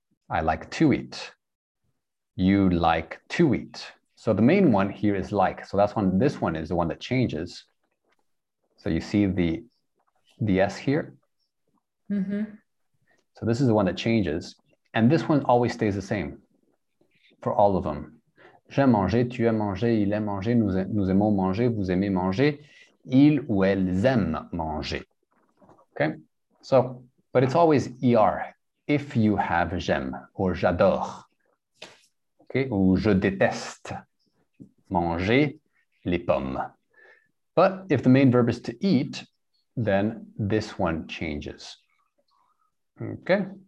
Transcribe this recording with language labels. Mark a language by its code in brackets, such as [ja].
[en] I like to eat. You like to eat. So, the main one here is like. So, that's one. This one is the one that changes. So, you see the S here? Mm-hmm. So this is the one that changes. And this one always stays the same for all of them. [fr] J'aime manger, tu aimes manger, il aime manger, nous aimons manger, vous aimez manger, il ou elles aiment manger. [en] Okay? So, but it's always ER, if you have [fr] j'aime, [en] or [fr] j'adore. [en] Okay? [fr] Ou je déteste manger les pommes. [en] But if the main verb is to eat, then this one changes. Okay.